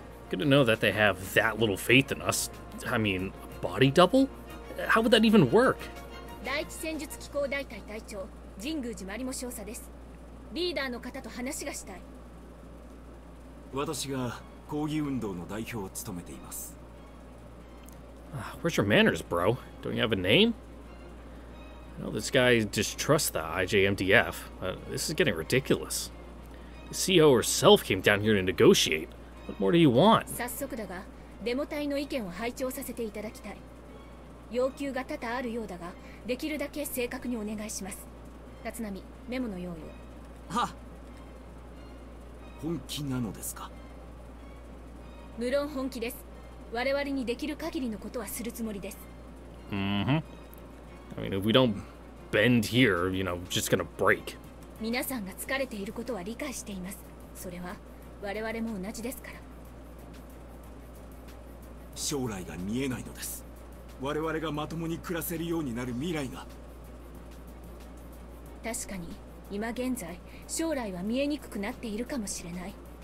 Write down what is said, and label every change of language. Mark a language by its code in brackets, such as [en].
[en] Good to know that they have that little faith in us. I mean, body double? How would that even work? [ja] 第一戦術機構大隊隊長、神宮寺マリモ少佐です。リーダーの方と話がしたい。私が抗議運動の代表を務めています。 [en] Where's your manners, bro? Don't you have a name? I know this guy distrusts the IJMDF, but this is getting ridiculous. The CO herself came down here to negotiate. What more do you want? [ja] 早速だが、デモ隊の意見を拝聴させていただきたい。要求が多々あるようだが、できるだけ正確にお願いします。立浪、メモの用意を。は。本気なのですか？無論本気です。我々にできる限りのことはするつもりです。 [en] I mean, if we don't bend here, you know, just gonna break. [ja] 皆さんが疲れていることは理解しています。それは我々も同じですから。将来が見えないのです。我々がまともに暮らせるようになる未来が。確かに、今現在、将来は見えにくくなっているかもしれない。